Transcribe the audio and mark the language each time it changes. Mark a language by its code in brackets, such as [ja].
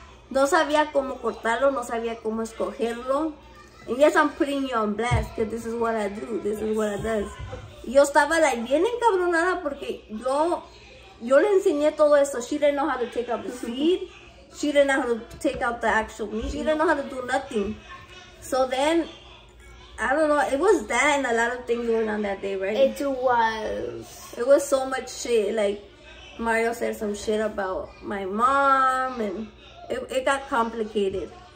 [es] No sabía cómo cortarlo, no sabía cómo escogerlo. [en] And yes, I'm putting you on blast, because this is what I do, this is what I do. [es] Yo estaba like, bien encabronada, porque yo le enseñé todo eso. [en] She didn't know how to take out the seed. She didn't know how to take out the actual meat. She didn't know how to do nothing. So then, I don't know, it was that and a lot of things going on that day, right? It was. It was so much shit, like, Mario said some shit about my mom, and it got complicated.